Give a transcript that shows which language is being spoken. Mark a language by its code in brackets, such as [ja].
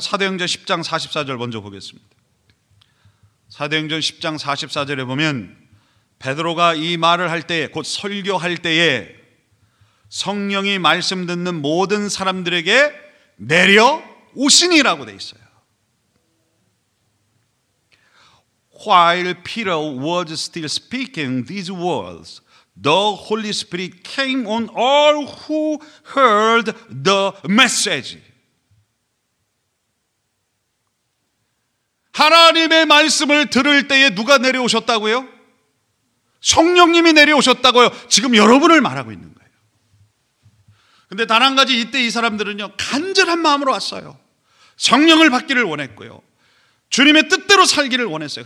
[ko] 사도행전 10장 44절 먼저 보겠습니다. 사도행전 10장 44절에 보면 베드로가 이 말을 할 때에, 곧 설교할 때에 성령이 말씀 듣는 모든 사람들에게 내려오시니라고 돼 있어요. [en] While Peter was still speaking these words, the Holy Spirit came on all who heard the message. [ko] 하나님의 말씀을 들을 때에 누가 내려오셨다고요? 성령님이 내려오셨다고요. 지금 여러분을 말하고 있는 거예요. 근데 단 한 가지, 이때 이 사람들은요 간절한 마음으로 왔어요. 성령을 받기를 원했고요, 주님의 뜻대로 살기를 원했어요.